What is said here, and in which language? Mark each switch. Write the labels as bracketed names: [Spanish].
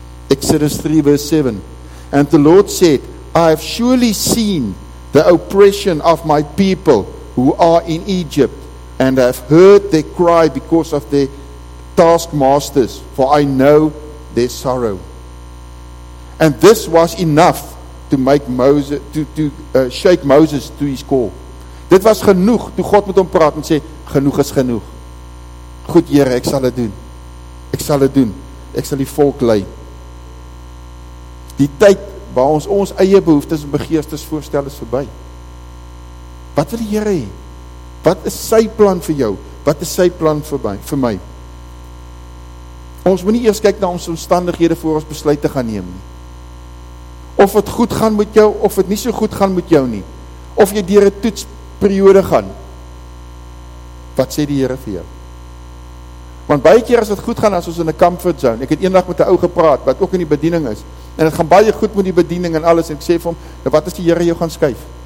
[English] Exodus 3 verse 7. And the Lord said, I have surely seen the oppression of my people who are in Egypt, and I have heard their cry because of their taskmasters, for I know their sorrow. And this was enough to make Moses shake Moses to his core. [Afrikaans] Dit was genoeg toe God met hom praat en sê, genoeg is genoeg. Goed Here, ek sal dit doen. Ek sal dit doen. Ek sal die volk lei. Die tyd waar ons eie behoeftes en begeertes voorstel is verby. Wat wil die Here hê? Wat is sy plan vir jou? Wat is sy plan vir my? Ons moet nie eers kyk na ons omstandighede voor ons besluit te gaan neem nie. Of het goed gaan met jou, of het nie so goed gaan met jou nie. Of jy deur 'n toetsperiode gaan. Wat sê die Here vir jou? Want baie keer as dit goed gaan, as ons in 'n comfort zone. Ek het eendag met 'n ou gepraat, wat ook in die bediening is. En het gaan baie goed met die bediening en alles. En ek sê vir hom, wat is die Here jou gaan skuif?